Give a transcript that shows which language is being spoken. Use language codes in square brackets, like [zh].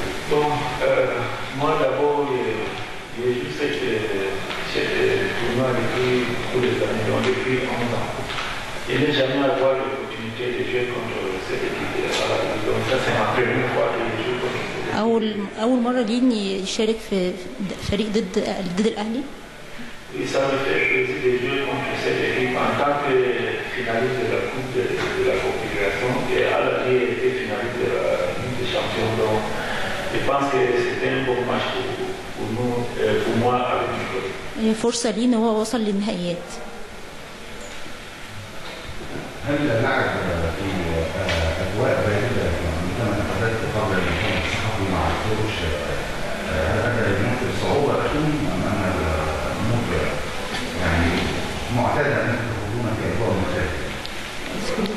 [fr] Donc, moi d'abord, j'ai vu cette tournoi depuis beaucoup d'années, donc depuis 11 ans. Je n'ai jamais avoir l'opportunité de jouer contre cette équipe. Donc, ça, c'est ma première fois que je joue contre cette équipe. [ar] أول مرة ليني يشارك في فريق ضد الأهلي. [fr] Oui, ça me fait plaisir de jouer contre cette équipe en tant que finaliste de la Coupe de la Confédération et à la fin était finaliste de la Ligue des Champions. Donc, je pense que c'était un bon match pour nous, pour moi avec mon collègue. Une force ali, nous avons atteint les finales. [ar] هل لعب في اجواء بارده مثلما تحدثت قبل ان يكون صحابي مع الكوتش هل ادى لمثل صعوبه لكم ام ان الموضوع يعني معتاد ان تكون في اجواء مختلفه؟